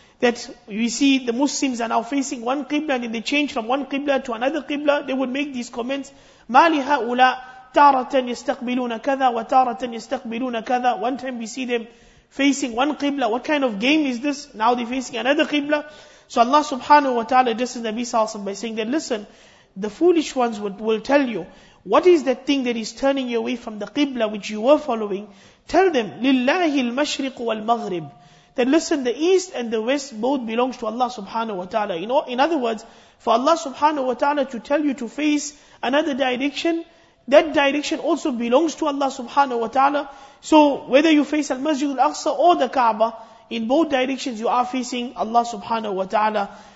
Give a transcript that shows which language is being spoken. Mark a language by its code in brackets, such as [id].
[en] That we see the Muslims are now facing one Qibla and then they change from one Qibla to another Qibla, they would make these comments, [ar] مَا لِهَاُولَىٰ تَارَةً يَسْتَقْبِلُونَ كَذَا [en] وَتَارَةً يَسْتَقْبِلُونَ كَذَا. One time we see them facing one Qibla, what kind of game is this? Now they're facing another Qibla. So Allah subhanahu wa ta'ala addresses Nabi sallallahu alayhi wa sallam by saying that, listen, the foolish ones will tell you, what is that thing that is turning you away from the Qibla which you were following? Tell them, [ar] لِلَّهِ الْمَشْرِقُ وَالْمَغْرِبُ. [en] That listen, the east and the west both belongs to Allah subhanahu wa ta'ala. You know, in other words, for Allah subhanahu wa ta'ala to tell you to face another direction, that direction also belongs to Allah subhanahu wa ta'ala. So whether you face Al-Masjid Al-Aqsa or the Kaaba, in both directions you are facing Allah subhanahu wa ta'ala.